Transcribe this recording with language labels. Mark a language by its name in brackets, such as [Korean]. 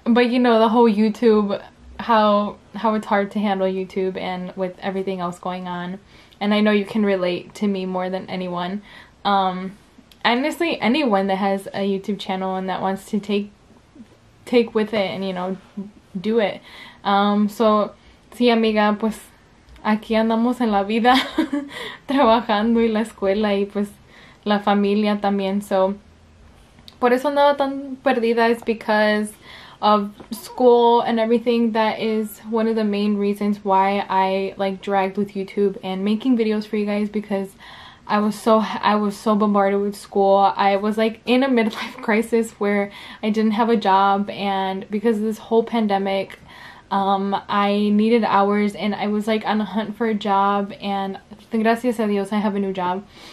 [English] but you know, the whole YouTube, how it's hard to handle YouTube and with everything else going on. And I know you can relate to me more than anyone. Honestly, anyone that has a YouTube channel and that wants to take with it and, you know, do it. [Spanish] So, sí, amiga, pues, aquí andamos en la vida, trabajando y la escuela y, pues, la familia también. [English] So, [Spanish] por eso andaba tan perdida, [English] is because of school and everything. That is one of the main reasons why I, like, dragged with YouTube and making videos for you guys, because I was so bombarded with school. I was like in a midlife crisis where I didn't have a job, and because of this whole pandemic, I needed hours, and I was like on a hunt for a job, and [Spanish] gracias a Dios [English] I have a new job.